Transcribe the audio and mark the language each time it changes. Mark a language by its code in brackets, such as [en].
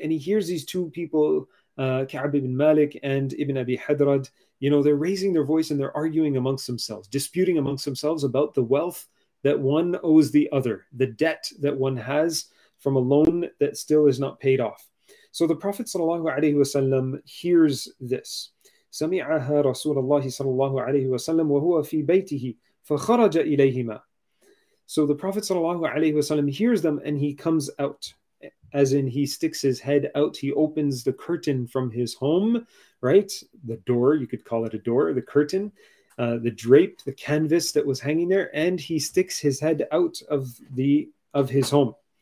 [en] And he hears these two people, Ka'b ibn Malik and Ibn Abi Hadrad, they're raising their voice and they're arguing amongst themselves, disputing amongst themselves about the wealth that one owes the other, the debt that one has from a loan that still is not paid off. So the Prophet ﷺ hears this. [ar] سمعها رسول الله صلى الله عليه وسلم وهو في بيته فخرج إليهما. [en] So the Prophet صلى الله عليه وسلم hears them and he comes out, as in he sticks his head out, he opens the curtain from his home, right? The door, you could call it a door, the curtain, the drape, the canvas that was hanging there, and he sticks his head out of his home.